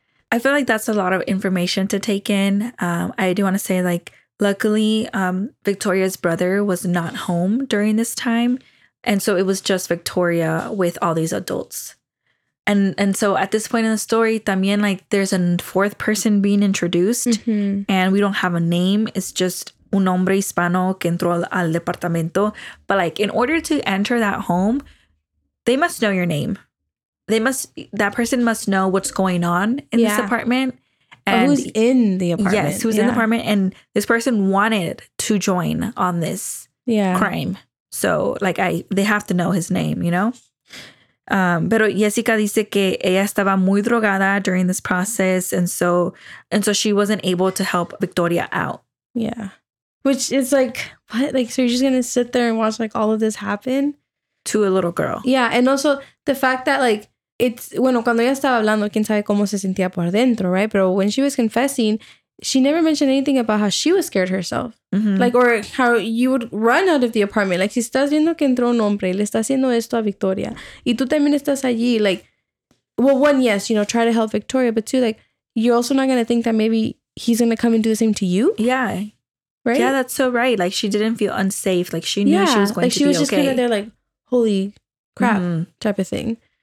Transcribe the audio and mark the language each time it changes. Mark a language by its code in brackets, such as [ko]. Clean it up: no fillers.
[en] I feel like that's a lot of information to take in. I do want to say, like, luckily Victoria's brother was not home during this time. And so it was just Victoria with all these adults. And so at this point in the story, [es] también, [en] like, there's a fourth person being introduced, and we don't have a name. It's just [es] un hombre hispano que entró al departamento. [en] But, like, in order to enter that home, they must know your name. That person must know what's going on in this apartment. And who's in the apartment. Yes, who's in the apartment. And this person wanted to join on this crime. So, like, they have to know his name, you know? [es] Pero Jessica dice que ella estaba muy drogada [en] during this process, and so she wasn't able to help Victoria out. Yeah. Which is, like, what? Like, so you're just going to sit there and watch, like, all of this happen? To a little girl. Yeah, and also the fact that, like, it's, [es] bueno, cuando ella estaba hablando, quién sabe cómo se sentía por dentro, [en] right? But when she was confessing, she never mentioned anything about how she was scared herself. Mm-hmm. Like, or how you would run out of the apartment. Like, [es] si estás viendo que entró un hombre, le está haciendo esto a Victoria. Y tú también estás allí. [en] Like, well, one, yes, you know, try to help Victoria. But two, like, you're also not going to think that maybe he's going to come and do the same to you. Yeah. Right? Yeah, that's so right. Like, she didn't feel unsafe. Like, she knew she was going, like, to be okay. She was just kind of there, like, holy crap type of thing.